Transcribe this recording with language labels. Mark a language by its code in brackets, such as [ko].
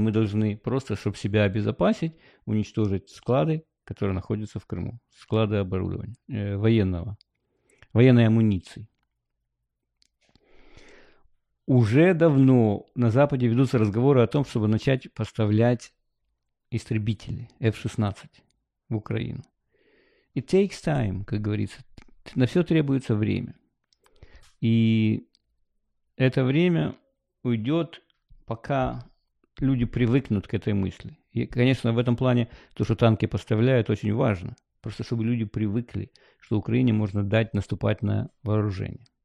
[ru] Мы должны просто, чтобы себя обезопасить, уничтожить склады, которые находятся в Крыму. Склады оборудования военного. Военной амуниции. Уже давно на Западе ведутся разговоры о том, чтобы начать поставлять истребители F-16 в Украину. [en] It takes time, [ru] как говорится. На все требуется время. И это время уйдет, пока люди привыкнут к этой мысли. И, конечно, в этом плане то, что танки поставляют, очень важно. Просто чтобы люди привыкли, что Украине можно дать наступать на вооружение.